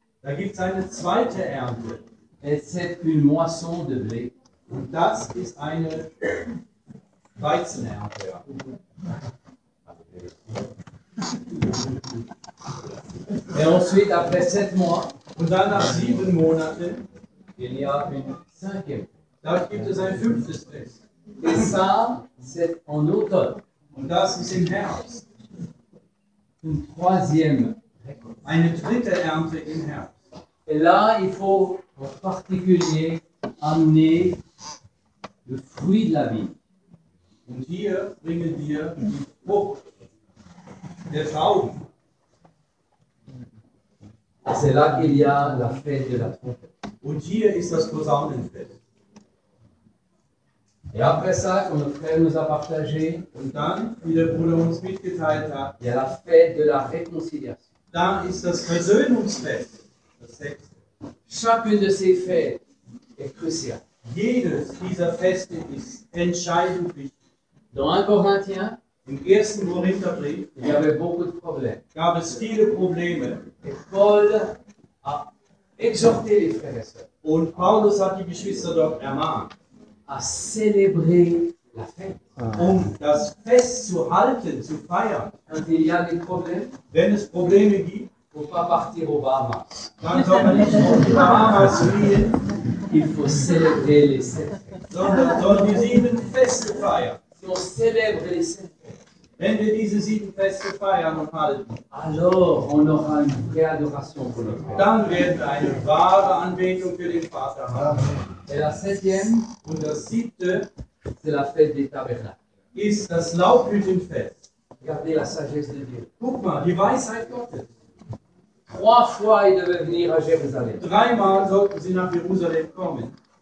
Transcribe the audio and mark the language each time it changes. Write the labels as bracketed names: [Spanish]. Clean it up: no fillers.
[German] Da gibt es eine zweite Ernte. [French] Et c'est une moisson de blé. [German] Und das ist eine Weizenernte. [French] Et ensuite, après 7 mois, [German] und dann nach 7 Monaten, [French] il y a une cinquième. [German] Da gibt es ein fünftes Fest. [French] Et ça, c'est en automne. [German] Und das ist im Herbst. [French] Une troisième. [German] Eine dritte Ernte im Herbst. [French] Et là, il faut en particulier amener le fruit de la vie. [German] Und hier bringen wir die Frucht, der Traum. [French] C'est là qu'il y a la fête de la trompette. [German] Und hier ist das Posaunenfest. [French] Et après ça, comme le frère nous a partagé, [German] und dann, wie der Bruder uns mitgeteilt hat, [French] il y a la fête de la réconciliation. [German] Da ist das Versöhnungsfest, das sechste. [French] Chacune de ces fêtes est cruciale. [German] Jedes dieser Feste ist entscheidend wichtig. [French] Dans 1 Corinthiens, [German] im 1. Korintherbrief, [French] il y avait beaucoup de problèmes. [German] Gab es viele Probleme. [French] Et Paul a exhorté les frères et sœurs. [German] Und Paulus hat die Geschwister dort ermahnt. [French] À célébrer la fête. [German] Ah. Um das Fest zu halten, zu feiern. [French] Quand il y a des problèmes, [German] wenn es Probleme gibt, [French] faut pas partir aux Bahamas. [German] Dann soll man nicht auf die Bahamas fliehen. [French] Il faut célébrer les sept fêtes. [German] Sondern soll die sieben Feste feiern. [French] On célèbre les sept fêtes. [German] Wenn wir diese sieben Feste feiern und halten, [French] alors on aura une vraie adoration pour le Père. [German] Dann werden wir eine wahre Anbetung für den Vater haben. [French] Et la septième, [German] und das siebte, [French] c'est la fête des Tabernacles. [German] Ist das Laubhüttenfest. [French] Regardez la sagesse de Dieu. [German] Guck mal, die Weisheit Gottes. [French] Trois fois, ils devaient venir à Jérusalem. [German] Dreimal sollten sie nach Jérusalem kommen.